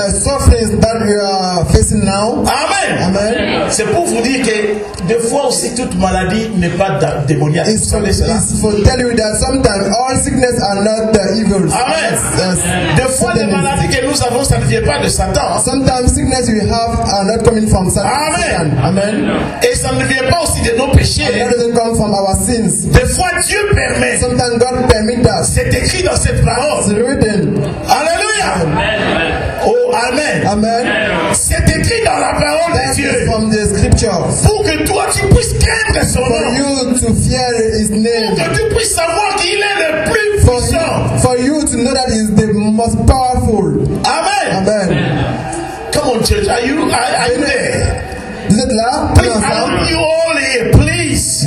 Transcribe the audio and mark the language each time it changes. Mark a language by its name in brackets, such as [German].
[English] Sufferings that you are facing now. Amen. Amen. [French] C'est pour vous dire que des fois aussi toute maladie n'est pas démoniaque. [English] It's for tell you that sometimes all sickness are not the evil. Amen. Yes. [French] Des fois les maladies que nous avons, ça ne vient pas de Satan. [English] Sometimes sickness we have are not coming from Satan. Amen. Amen. [French] Et ça ne vient pas aussi de nos péchés. [English] It doesn't come from our sins. [French] Des fois Dieu permet. [English] Sometimes God permits that. [French] C'est écrit dans cette parole. Alléluia. Amen. Oh, amen. Amen. C'est écrit dans la parole de Dieu. [English] From the scripture. [French] Pour que toi tu puisses craindre son [English] for [French] nom. [English] For you to fear his name. [French] Pour que tu puisses savoir qu'il est le plus puissant. [English] For you to know that he is the most powerful. Amen. Amen. Come on, church. Are you there? [French] Vous êtes là? [English] Please, I want you all here, please.